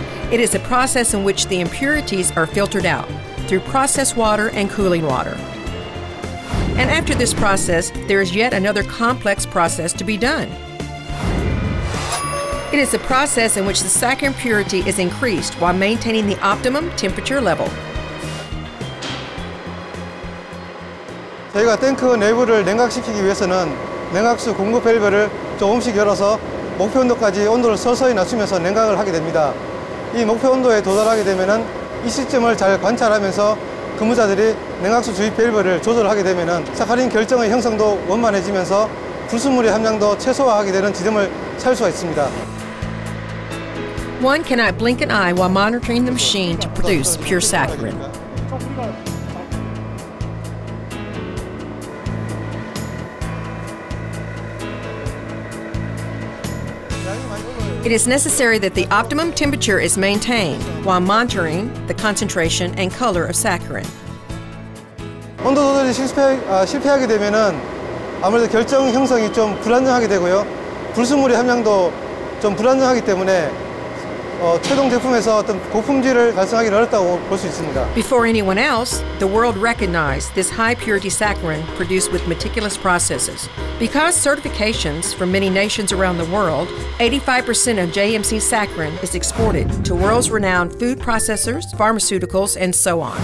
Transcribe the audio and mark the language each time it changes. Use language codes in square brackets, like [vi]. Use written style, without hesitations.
[en] It is a process in which the impurities are filtered out through process water and cooling water. And after this process, there is yet another complex process to be done. It is a process in which the saccharin purity is increased while maintaining the optimum temperature level. [ko] 저희가 탱크 내부를 냉각시키기 위해서는 냉각수 공급 밸브를 조금씩 열어서 목표 온도까지 온도를 서서히 낮추면서 냉각을 하게 됩니다. 이 목표 온도에 도달하게 되면은 이 시점을 잘 관찰하면서 근무자들이 냉각수 주입 밸브를 조절하게 되면은 사카린 결정의 형성도 원만해지면서 불순물의 함량도 최소화하게 되는 지점을 찾을 수가 있습니다. [en] One cannot blink an eye while monitoring the machine to produce pure saccharin. It is necessary that the optimum temperature is maintained while monitoring the concentration and color of saccharin. [ko] 온도 조절이 실패하게 되면은 아무래도 결정 형성이 좀 불안정하게 되고요. 불순물의 함량도 좀 불안정하기 때문에 최종 제품에서 어떤 고품질을 달성하기는 어렵다고 볼 수 있습니다. [en] Before anyone else, the world recognized this high purity saccharin produced with meticulous processes. Because certifications from many nations around the world, 85% of JMC saccharin is exported to world's renowned food processors, pharmaceuticals, and so on.